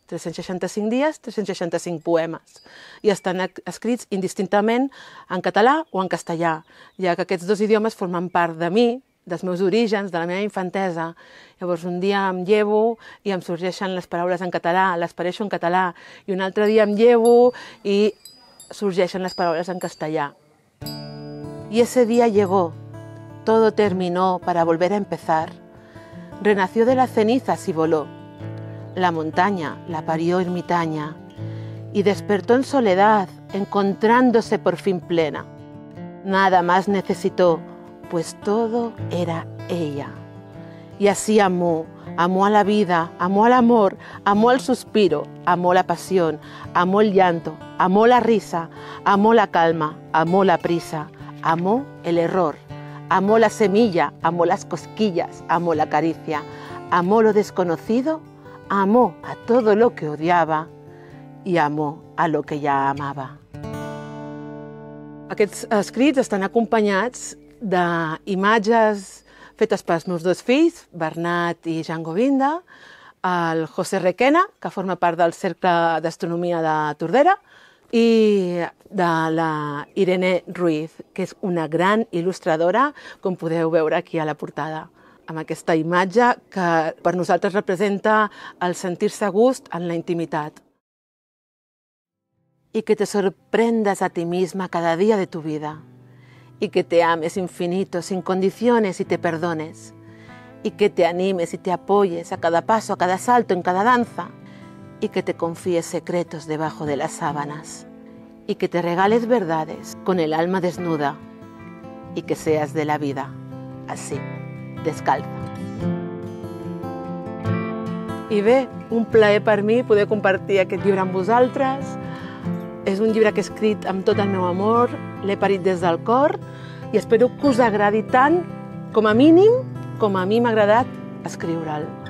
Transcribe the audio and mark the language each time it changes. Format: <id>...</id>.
<ca>365 dies, 365 poemes. I estan escrits indistintament en català o en castellà, ja que aquests dos idiomes formen part de mi, dels meus orígens, de la meva infantesa. Llavors, un dia em llevo i em sorgeixen les paraules en català, les pareixo en català, i un altre dia em llevo i sorgeixen les paraules en castellà.</ca> <es>Y ese día llegó. Todo terminó para volver a empezar. Renació de las cenizas y voló. La montaña la parió ermitaña y despertó en soledad, encontrándose por fin plena. Nada más necesitó, pues todo era ella. Y así amó, amó a la vida, amó al amor, amó al suspiro, amó la pasión, amó el llanto, amó la risa, amó la calma, amó la prisa, amó el error, amó la semilla, amó las cosquillas, amó la caricia, amó lo desconocido, amó a todo lo que odiaba y amó a lo que ya amaba.</es> <ca>Aquests escrits estan acompanyats d'imatges fetes pels meus dos fills, Bernat i Jean Govinda, el José Requena, que forma part del Cercle d'Astronomia de Tordera, i de la Irene Ruiz, que és una gran il·lustradora, com podeu veure aquí a la portada, amb aquesta imatge que per nosaltres representa el sentir-se a gust en la intimitat. I</ca> <es>que te sorprendes a ti misma cada dia de tu vida. Y que te ames infinito, sin condiciones y te perdones. Y que te animes y te apoyes a cada paso, a cada salto, en cada danza. Y que te confíes secretos debajo de las sábanas. Y que te regales verdades con el alma desnuda. Y que seas de la vida así, descalza.</es> <ca>I bé, un plaer per mi poder compartir aquest llibre amb vosaltres. És un llibre que he escrit amb tot el meu amor, l'he parit des del cor i espero que us agradi tant, com a mínim, com a mi m'ha agradat escriure'l.</ca>